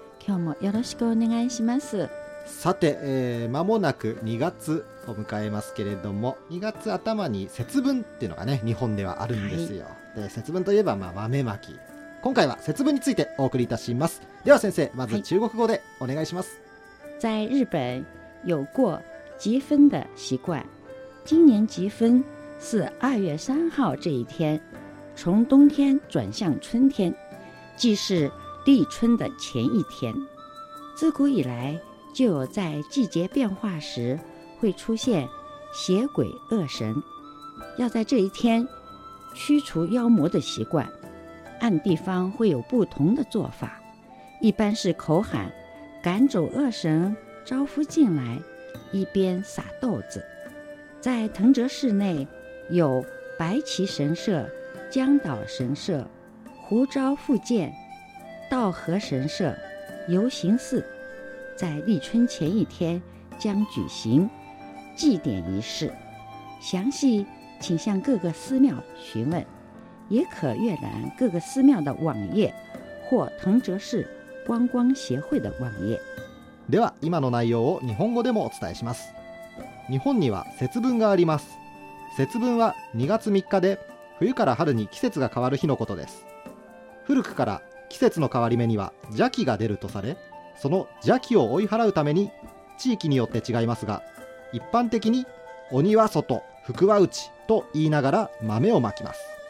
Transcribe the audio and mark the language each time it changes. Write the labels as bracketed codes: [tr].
[ja] 今日もよろしくお願いします。さて、間もなく2月を迎えますけれども、2月頭に節分っていうのがね、日本ではあるんですよ、はい、で節分といえば、まあ、豆まき。今回は節分についてお送りいたします。では先生、まず中国語でお願いします。 [zh] 在日本有过集分的习惯，今年集分是2月3号这一天，从冬天转向春天，既是立春的前一天。自古以来就有在季节变化时会出现邪鬼恶神，要在这一天驱除妖魔的习惯，按地方会有不同的做法，一般是口喊赶走恶神招呼进来，一边撒豆子。在藤泽市内有白旗神社、江岛神社、湖沼复建、道河神社、游行寺，在立春前一天将举行祭典仪式，详细请向各个寺庙询问，也可阅览各个寺庙的网页或藤泽市观光协会的网页。 [ja] では今の内容を日本語でもお伝えします。日本には節分があります。節分は2月3日で、冬から春に季節が変わる日のことです。古くから季節の変わり目には邪気が出るとされ、その邪気を追い払うために、地域によって違いますが、一般的に鬼は外、福は内と言いながら豆をまきます。